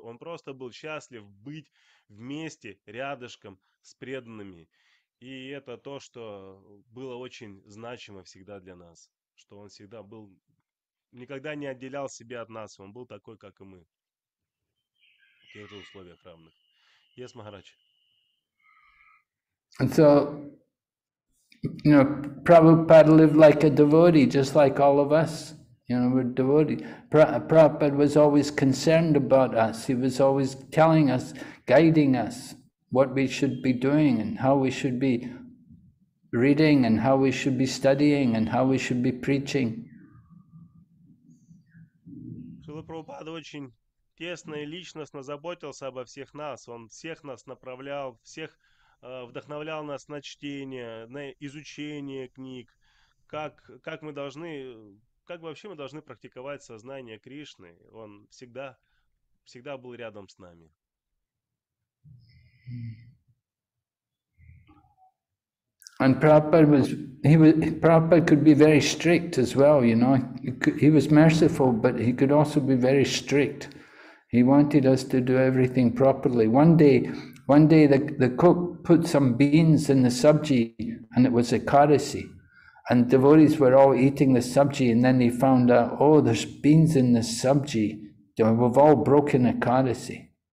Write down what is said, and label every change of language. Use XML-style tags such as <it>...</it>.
<ru>Он просто был счастлив быть вместе рядышком с преданными. И это то, что было очень значимо всегда для нас, что он всегда был, никогда не отделял себя от нас, он был такой, как и мы, в тех же условиях равных.</ru> <en>Yes, Maharaj. And so, Prabhupada lived like a devotee, just like all of us, we're devotees. Prabhupada was always concerned about us, he was always telling us, guiding us, what we should be doing and how we should be reading and how we should be studying and how we should be preaching.</en> <ru>Шрила Прабхупада очень тесно и личностно заботился обо всех нас. Он всех нас направлял, всех вдохновлял нас на чтение, на изучение книг, как вообще мы должны практиковать сознание Кришны. Он всегда, всегда был рядом с нами.</ru> <en>And Prabhupada could be very strict as well, he was merciful, but he could also be very strict. He wanted us to do everything properly. One day the cook put some beans in the sabji, and it was ekadasi, and devotees were all eating the sabji, and then he found out, there's beans in the sabji, we've all broken ekadasi.</en>